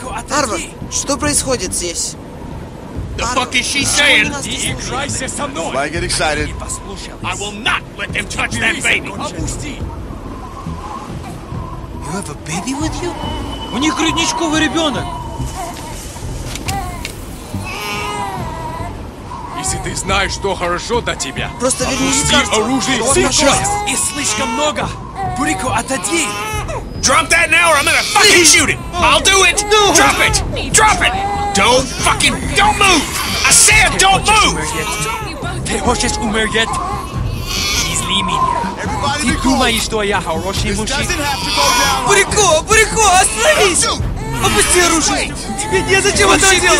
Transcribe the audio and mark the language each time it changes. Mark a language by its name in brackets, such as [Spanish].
[Russian] Арво, что происходит здесь? [English] The fuck is she saying? Why get excited? I will not let them touch that baby. [Russian] Опусти. [English] You have a baby with you? [Russian] У них грудничковый ребенок. Если ты знаешь, что хорошо для тебя, просто опусти оружие сейчас. И слишком много. Бурико, отойди. [English] Drop that now or I'm gonna fucking shoot it. I'll do it. No. Drop it. Drop it. Don't fucking, don't move. I said don't move. [Russian] Ты хочешь умереть? Ты думаешь, что я хороший мужчина? Бурико, Бурико, остановись! Опусти оружие! Тебе не зачем это делать?